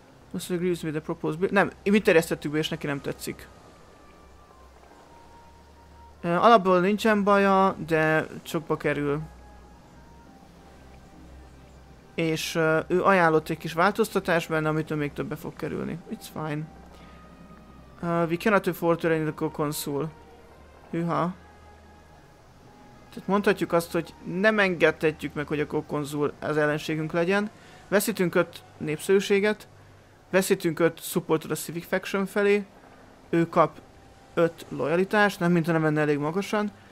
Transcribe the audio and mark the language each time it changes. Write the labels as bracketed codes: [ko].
[en] Most agrees with the proposed bill. [hu] Nem, mi terjesztettük be, és neki nem tetszik. Alapból nincsen baja, de csokba kerül. És ő ajánlott egy kis változtatás benne, amitől még többbe fog kerülni. [en] It's fine. We cannot afford to rent the co-consul. [hu] Hűha. Tehát mondhatjuk azt, hogy nem engedhetjük meg, hogy a co-consul az ellenségünk legyen. Veszítünk öt népszerűséget. Veszítünk öt supportot a Civic Faction felé. Ő kap öt lojalitást, nem mintha nem venne elég magasan.